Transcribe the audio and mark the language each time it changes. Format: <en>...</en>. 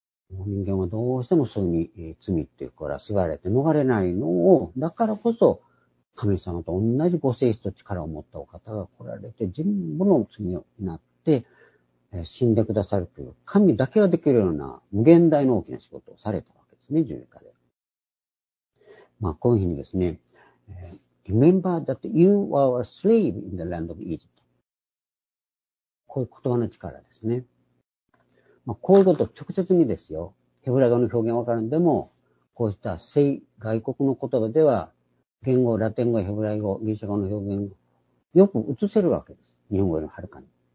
<ja>人間はどうしてもそういうふうに罪っていうから縛られて逃れないのを、だからこそ神様と同じご性質と力を持ったお方が来られて、全部の罪になって死んでくださるという、神だけができるような無限大の大きな仕事をされたわけですね、十字架で。まあこういうふうにですね、</ja> <en>Remember that you were a slave in the land of Egypt。</en> <ja>こういう言葉の力ですね。まあ、こういうことを直接にですよ。ヘブラ語の表現わからんでも、こうした聖、外国の言葉では、言語、ラテン語、ヘブライ語、ギリシャ語の表現をよく映せるわけです。日本語よりはるかに。</ja>